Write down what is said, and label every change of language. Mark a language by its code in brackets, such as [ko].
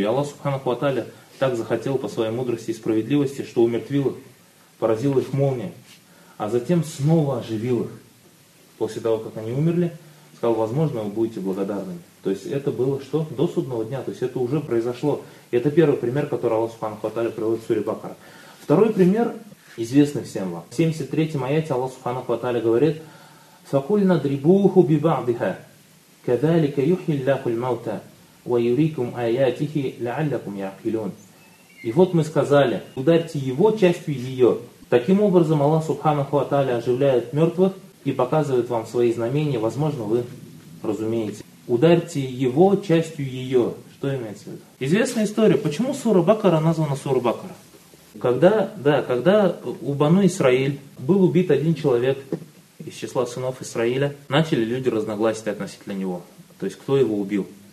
[ru] И Аллах Субханаху ва Тааля так захотел по своей мудрости и справедливости, что умертвил их, поразил их молния, а затем снова оживил их. После того, как они умерли, сказал: возможно, вы будете благодарны. То есть это было что? До судного дня. То есть это уже произошло. И это первый пример, который Аллах Субханаху ва Тааля приводит в суре Бакара. Второй пример известный всем вам. В 73-м аяте Аллах Субханаху ва Тааля говорит: [ar] فَقُلْنَا ضْرِبُوهُ بِبَعْضِهَا كَذَلِكَ يُحْيِي اللَّهُ الْمَوْتَى وَيُرِيكُمْ آيَاتِهِ لَعَلَّكُمْ يَعْقِلُونَ. [ru] И вот мы сказали: ударьте его частью ее. Таким образом, Аллах Субханаху ва Тааля оживляет мертвых и показывает вам свои знамения. Возможно, вы разумеете. Ударьте его частью ее. Что имеется в виду? Известная история. Почему сура Бакара названа сура Бакара? Когда у Бану Исраиль был убит один человек из числа сынов Исраиля, начали люди разногласить относительно него. То есть, кто его убил?